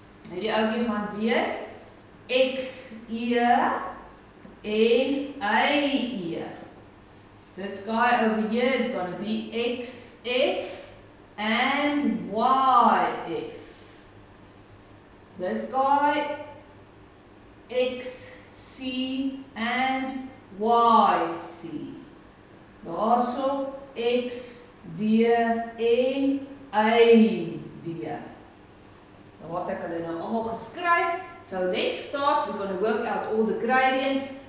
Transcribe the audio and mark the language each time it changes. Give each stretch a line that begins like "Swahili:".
Afrikaans: Hierdie ouetjie gaan wees XE en AE.
English: This guy over here is going to be XF and YF. This guy, XC and YC. Also, XD en AD.
Afrikaans: Nou wat ek hulle nou allemaal geskryf.
English: So let's start, we're going to work out all the gradients.